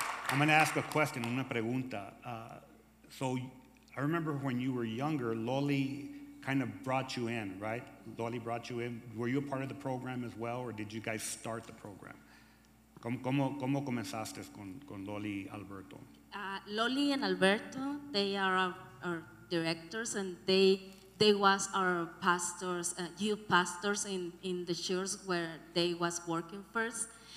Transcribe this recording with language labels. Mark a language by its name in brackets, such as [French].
[English] I'm going to ask a question, [Spanish] una pregunta. [English] So I remember when you were younger, Loli kind of brought you in, right? Loli brought you in. Were you a part of the program as well, or did you guys start the program? [Spanish] ¿Cómo comenzaste con Loli y Alberto? [English] Loli and Alberto, they are our directors, and they was our pastors, youth pastors in the church where they was working first.